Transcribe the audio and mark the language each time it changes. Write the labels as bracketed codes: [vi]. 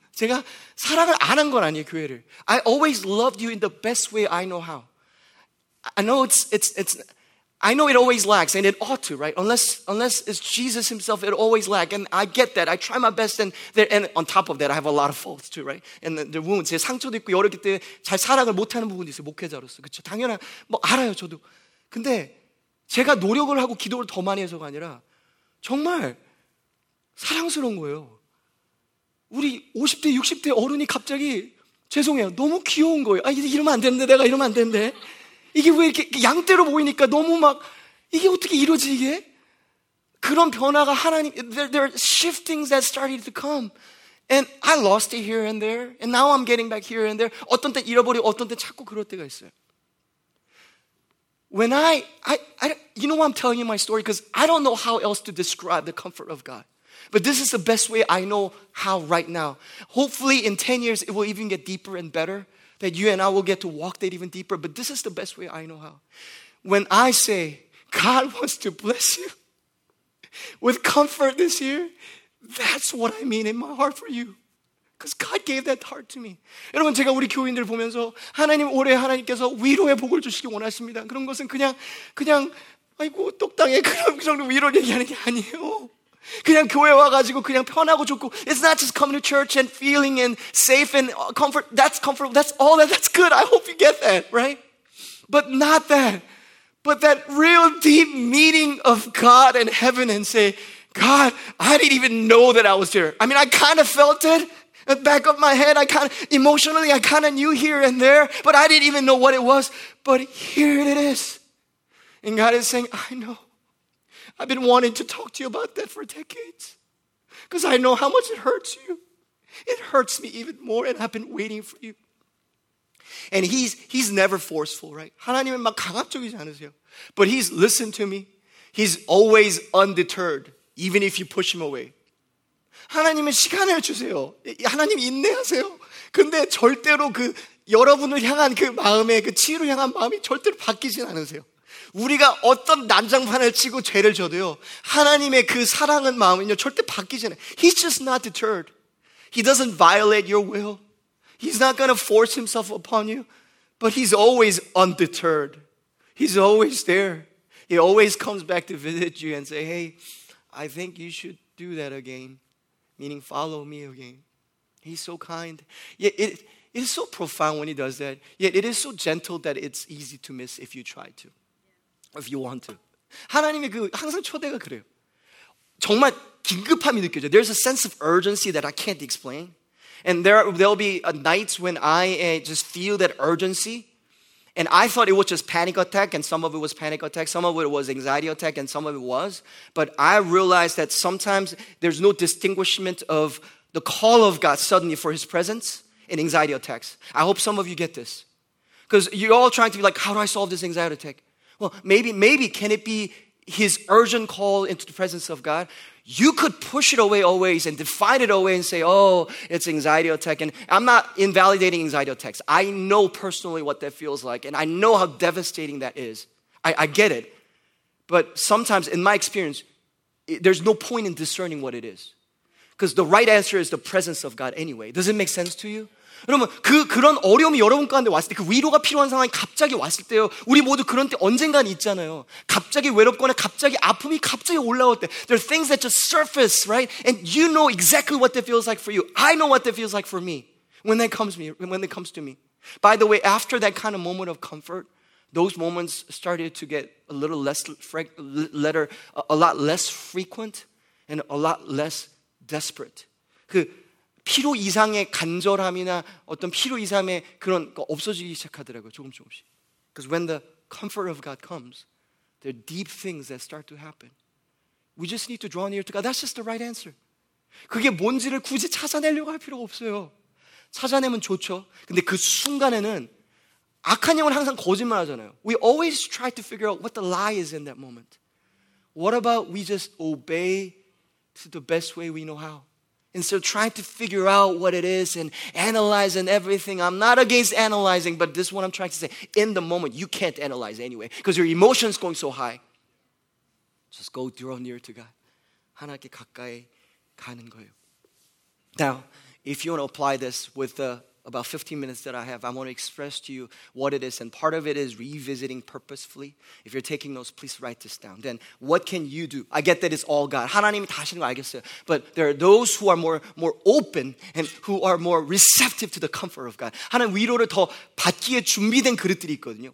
[ko] 제가 사랑을 안 한 건 아니에요, 교회를. [en] I always loved you in the best way I know how. I know it's I know it always lacks and it ought to, right? Unless it's Jesus himself, it always lacks. And I get that. I try my best and on top of that, I have a lot of faults too, right? And the wounds, [ko] 제 상처도 있고 여러 개 때 잘 사랑을 못하는 부분이 있어요, 목회자로서. 그렇죠? 당연한, 뭐 알아요, 저도. 근데 제가 노력을 하고 기도를 더 많이 해서가 아니라 정말 사랑스러운 거예요. 우리 50대, 60대 어른이 갑자기 죄송해요. 너무 귀여운 거예요. 아, 이러면 안 되는데, 내가 이러면 안 되는데. 이게 왜 이렇게 양떼로 보이니까 너무 막 이게 어떻게 이러지, 이게? 그런 변화가 하나님, [en] there are shiftings that started to come. And I lost it here and there. And now I'm getting back here and there. [ko] 어떤 때 잃어버리고 어떤 때 찾고 그럴 때가 있어요. [en] When I you know why I'm telling you my story? Because I don't know how else to describe the comfort of God. But this is the best way I know how right now. Hopefully in 10 years it will even get deeper and better. That you and I will get to walk that even deeper. But this is the best way I know how. When I say, God wants to bless you with comfort this year, that's what I mean in my heart for you. Because God gave that heart to me. [ko] 여러분 제가 우리 교인들 보면서 하나님 올해 하나님께서 위로의 복을 주시길 원하십니다. 그런 것은 그냥 아이고 똑당해 그런 정도 위로를 얘기하는 게 아니에요. 그냥 교회 와가지고 그냥 편하고 좋고 [en] It's not just coming to church and feeling and safe and comfort. That's comfortable. That's all that. That's good. I hope you get that, right? But not that. But that real deep meaning of God and heaven and say, God, I didn't even know that I was here. I mean, I kind of felt it. At the back of my head, I kind of, emotionally, I kind of knew here and there, but I didn't even know what it was. But here it is. And God is saying, I know. I've been wanting to talk to you about that for decades. Because I know how much it hurts you. It hurts me even more, and I've been waiting for you. And he's never forceful, right? [ko] 하나님은 막 강압적이지 않으세요. [en] But he's listened to me. He's always undeterred, even if you push him away. [ko] 하나님은 시간을 주세요. 하나님 인내하세요. 근데 절대로 그 여러분을 향한 그 마음에 그 치유로 향한 마음이 절대로 바뀌진 않으세요. 우리가 어떤 난장판을 치고 죄를 져도요. 하나님의 그 사랑은 마음은요 절대 바뀌지 않아요. [en] He's just not deterred. He doesn't violate your will. He's not going to force himself upon you, but he's always undeterred. He's always there. He always comes back to visit you and say, "Hey, I think you should do that again." Meaning follow me again. He's so kind. Yet it is so profound when he does that. Yet it is so gentle that it's easy to miss if you try to. If you want to. [ko] 하나님의 그 항상 초대가 그래요. 정말 긴급함이 느껴져요. [en] There's a sense of urgency that I can't explain. And there'll be nights when I just feel that urgency. And I thought it was just panic attack, and some of it was panic attack. Some of it was anxiety attack, and some of it was. But I realized that sometimes there's no distinguishment of the call of God suddenly for his presence in anxiety attacks. I hope some of you get this. Because you're all trying to be like, how do I solve this anxiety attack? Well, maybe can it be his urgent call into the presence of God? You could push it away always and define it away and say, oh, it's anxiety attack. And I'm not invalidating anxiety attacks. I know personally what that feels like. And I know how devastating that is. I get it. But sometimes in my experience, there's no point in discerning what it is. Because the right answer is the presence of God anyway. Does it make sense to you? [ko] 여러분, 그런 어려움이 여러분 가운데 왔을 때, 그 위로가 필요한 상황이 갑자기 왔을 때요. 우리 모두 그런 때 언젠가는 있잖아요. 갑자기 외롭거나 갑자기 아픔이 갑자기 올라올 때. [en] There are things that just surface, right? And you know exactly what that feels like for you. I know what that feels like for me when it comes to me. By the way, after that kind of moment of comfort, those moments started to get a lot less frequent and a lot less desperate. [ko] 그 필요 이상의 간절함이나 어떤 필요 이상의 그런 거 없어지기 시작하더라고요, 조금 조금씩. [en] Because when the comfort of God comes, there are deep things that start to happen. We just need to draw near to God. That's just the right answer. [ko] 그게 뭔지를 굳이 찾아내려고 할 필요가 없어요. 찾아내면 좋죠. 근데 그 순간에는 악한 영은 항상 거짓말 하잖아요. [en] We always try to figure out what the lie is in that moment. What about we just obey to the best way we know how? Instead of trying to figure out what it is and analyze and everything, I'm not against analyzing, but this is what I'm trying to say. In the moment, you can't analyze anyway because your emotion is going so high. Just go draw near to God. [ko] 하나님께 가까이 가는 거예요. [en] Now, if you want to apply this with the about 15 minutes that I have, I want to express to you what it is. And part of it is revisiting purposefully. If you're taking notes, please write this down. Then what can you do? I get that it's all God. [ko] 하나님이 다 하시는 거 알겠어요. [en] But there are those who are more open and who are more receptive to the comfort of God. [ko] 하나님 위로를 더 받기에 준비된 그릇들이 있거든요.